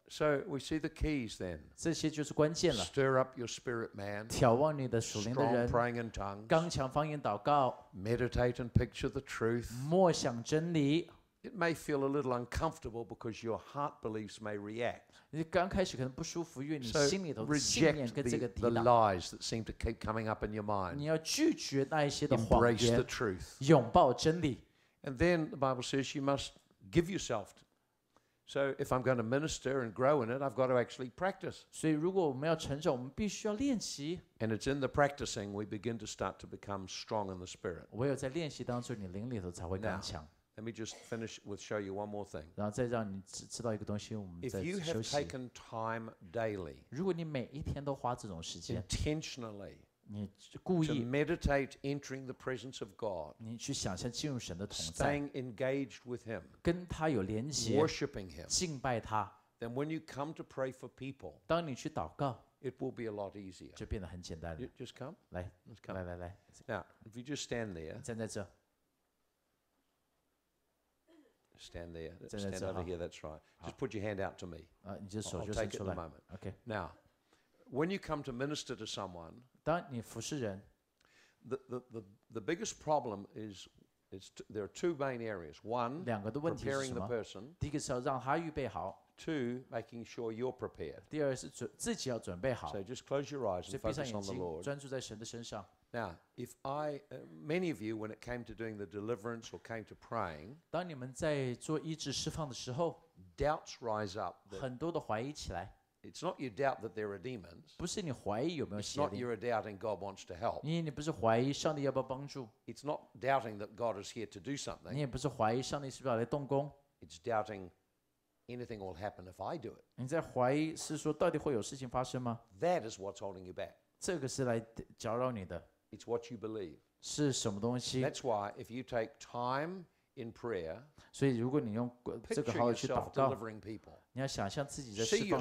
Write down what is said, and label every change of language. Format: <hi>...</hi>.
<en>So we see the keys then.</en> <zh>这些就是关键了。</zh> <en>Stir up your spirit man.</en> <zh>挑旺你的属灵的人。</zh> <en>Strong praying in tongues.</en> <zh>刚强方言祷告。</zh> <en>Meditate and picture the truth.</en> <zh>默想真理。</zh> <en>It may feel a little uncomfortable because your heart beliefs may react.</en> <zh>你刚开始可能不舒服，因为你心里头信念跟这个抵挡。</zh> <en>So reject the lies that seem to keep coming up in your mind.</en> <zh>你要拒绝那一些的谎言。</zh> <en>Embrace the truth.</en> <zh>拥抱真理。</zh> <en>And then the Bible says you must give yourself. So if I'm going to minister and grow in it, I've got to actually practice.</en> <zh>所以如果我们要成长，我们必须要练习。</zh> <en>And it's in the practicing we begin to start to become strong in the spirit.</en> <zh>唯有在练习当中，你灵里头才会刚强。</zh> <en>Let me just finish with show you one more thing.</en> <zh>然后再让你知道一个东西，我们再休息。</zh> <en>If you have taken time daily,</en> <zh>如果你每一天都花这种时间</zh> <en>intentionally,</en> <zh>你故意</zh> <en>to meditate, entering the presence of God,</en> <zh>你去想象进入神的同在</zh> <en>staying engaged with Him,</en> <zh>跟他有连接</zh> <en>worshiping Him,</en> <zh>敬拜他</zh> <en>then when you come to pray for people,</en> <zh>当你去祷告</zh> <en>it will be a lot easier.</en> <zh>就变得很简单了。</zh> <en>Just come.</en> <zh>来,</zh> <en>let's come.</en> <zh>来来来。</zh> <en>Now, if you just stand there,</en> <zh>站在这。</zh> <en>Stand there. Stand over here. That's right. Just put your hand out to me. I'll take it in a moment. Okay. Now, when you come to minister to someone,</en> <zh>当你服侍人,</zh> <en>the biggest problem is there are two main areas. One,</en> <zh>两个的问题是什么?</zh> <en>Preparing the person.</en> <zh>第一个是要让他预备好。</zh> <en>Two, making sure you're prepared.</en> <zh>第二是自己要准备好。</zh> <en>So just close your eyes and focus on the Lord.</en> <zh>闭上眼睛，专注在神的身上。</zh> <en>Now, if I, many of you, when it came to doing the deliverance or came to praying,</en> <zh>当你们在做医治释放的时候,</zh> <en>doubts rise up.</en> <zh>很多的怀疑起来。</zh> <en>It's not you doubt that there are demons.</en> <zh>不是你怀疑有没有邪灵。</zh> <en>It's not you're doubting God wants to help.</en> <zh>因为你不是怀疑上帝要不要帮助。</zh> <en>It's not doubting that God is here to do something.</en> <zh>你也不是怀疑上帝是不是要来动工。</zh> <en>It's doubting anything will happen if I do it.</en> <zh>你在怀疑是说到底会有事情发生吗?</zh> <en>That is what's holding you back.</en> <zh>这个是来搅扰你的。</zh> <en>It's what you believe.</en> <zh>是什么东西?</zh> <en>That's why if you take time in prayer,</en> <zh>所以如果你用这个好好去祷告,</zh> <en>picture yourself delivering people.</en> <zh>你要想象自己在释放人。</zh>